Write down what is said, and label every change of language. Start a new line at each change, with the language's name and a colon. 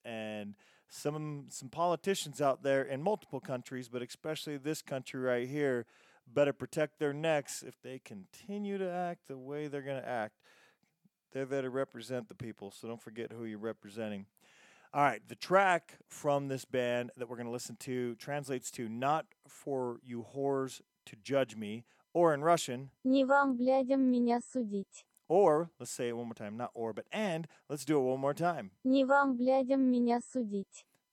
English: And some politicians out there in multiple countries, but especially this country right here, better protect their necks if they continue to act the way they're going to act. They're there to represent the people, so don't forget who you're representing. All right, the track from this band that we're going to listen to translates to "Not for you whores to judge me," or in Russian,
Russian: Не вам, блядям, меня судить.
English: Or, let's say it one more time, not or, but and, let's do it one more time.
Russian: Не вам, блядям, меня судить.